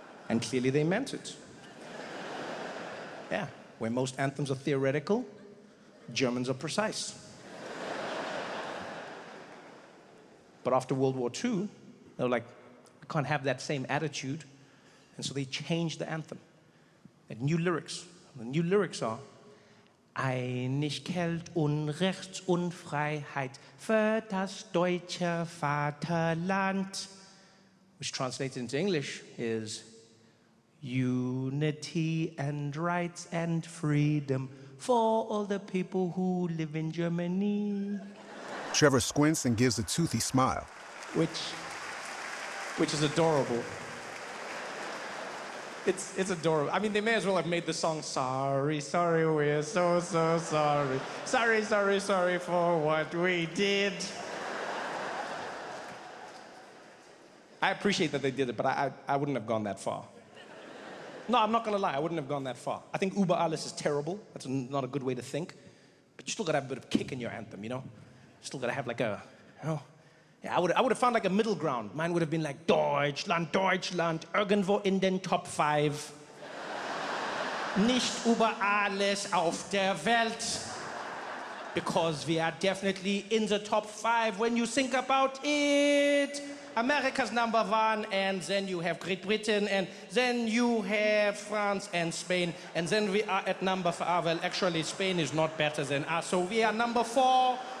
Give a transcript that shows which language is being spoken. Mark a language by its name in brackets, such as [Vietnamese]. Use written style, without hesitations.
[English] And clearly they meant it. Yeah, where most anthems are theoretical, Germans are precise. But after World War II, they were like, we can't have that same attitude. And so they changed the anthem. They had new lyrics. And the new lyrics are, [German] Einigkeit und Rechts und Freiheit für das deutsche Vaterland. [English] Which translated into English is, Unity and rights and freedom for all the people who live in Germany. Trevor squints and gives a toothy smile. Which is adorable. It's adorable. I mean, they may as well have made the song, sorry, sorry, we're so, so sorry. Sorry, sorry, sorry for what we did. I appreciate that they did it, but I wouldn't have gone that far. No, I'm not gonna lie, I wouldn't have gone that far. I think Über alles is terrible. That's not a good way to think. But you still gotta have a bit of kick in your anthem, you know? Still gotta have like a, Yeah, I would have found like a middle ground. Mine would have been like, [German] Deutschland, Deutschland, irgendwo in den Top 5. Nicht über alles auf der Welt. [English] Because we are definitely in the top 5 when you think about it. America's number 1, and then you have Great Britain, and then you have France and Spain, and then we are at number 4. Well, actually, Spain is not better than us, so we are number 4.